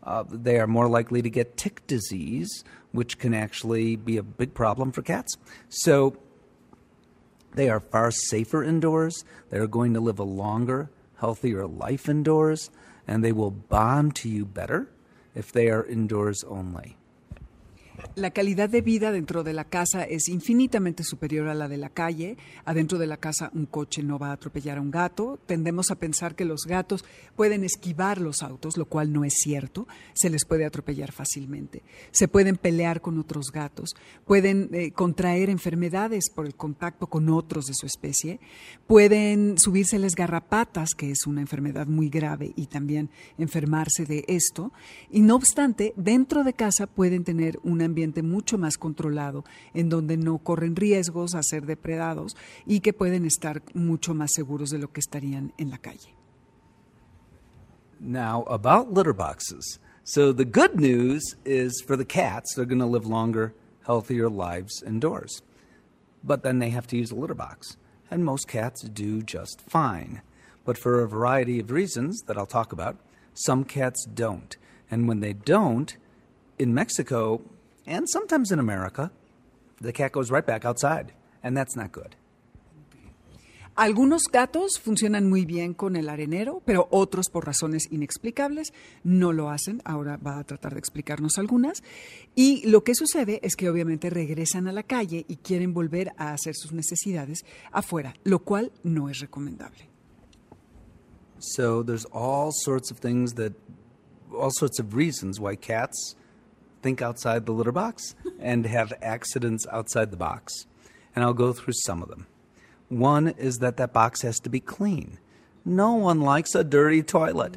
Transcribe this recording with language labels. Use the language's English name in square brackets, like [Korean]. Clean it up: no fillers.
[English] They are more likely to get tick disease, which can actually be a big problem for cats. So they are far safer indoors. They're going to live a longer, healthier life indoors, and they will bond to you better if they are indoors only. [Spanish] La calidad de vida dentro de la casa es infinitamente superior a la de la calle. Adentro de la casa, un coche no va a atropellar a un gato. Tendemos a pensar que los gatos pueden esquivar los autos, lo cual no es cierto. Se les puede atropellar fácilmente. Se pueden pelear con otros gatos. Pueden contraer enfermedades por el contacto con otros de su especie. Pueden subírseles garrapatas, que es una enfermedad muy grave, y también enfermarse de esto. Y no obstante, dentro de casa pueden tener un ambiente mucho más controlado, en donde no corren riesgos a ser depredados y que pueden estar mucho más seguros de lo que estarían en la calle. [English] Now, about litter boxes. So the good news is for the cats, they're going to live longer, healthier lives indoors. But then they have to use a litter box. And most cats do just fine. But for a variety of reasons that I'll talk about, some cats don't. And when they don't, in Mexico, and sometimes in America, the cat goes right back outside, and that's not good. [Spanish] Algunos gatos funcionan muy bien con el arenero, pero otros, por razones inexplicables, no lo hacen. Ahora va a tratar de explicarnos algunas. Y lo que sucede es que obviamente regresan a la calle y quieren volver a hacer sus necesidades afuera, lo cual no es recomendable. [English] So there's all sorts of reasons why cats think outside the litter box and have accidents outside the box. And I'll go through some of them. One is that that box has to be clean. No one likes a dirty toilet.